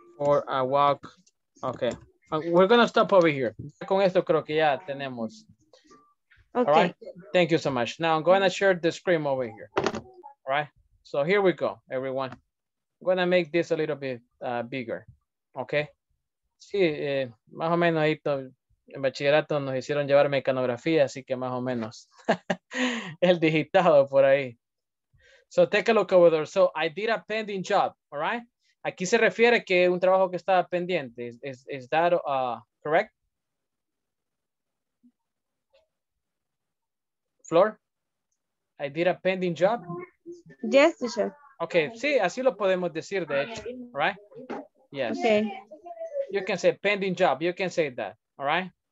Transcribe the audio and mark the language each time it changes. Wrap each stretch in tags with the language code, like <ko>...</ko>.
<en>For a walk. Okay. We're gonna stop over here.</en> <es>Con esto creo que ya tenemos.</es> <en>Okay. All right. Thank you so much. Now I'm going to share the screen over here. All right. So here we go, everyone. I'm going to make this a little bit bigger. Okay.</en> <es>Sí, más o menos ahí en bachillerato nos hicieron llevar mecanografía, así que más o menos el digitado por ahí.</es> <en>So take a look over there. So I did a pending job. All right.</en> <es>Aquí se refiere que un trabajo que estaba pendiente.</es> <en>Is that correct? Flor, I did a pending job. Yes, teacher.</en> <es>Okay, sí, así lo podemos decir, de hecho,</es> <en>right? Yes. Okay. You can say pending job, you can say that, all right?</en>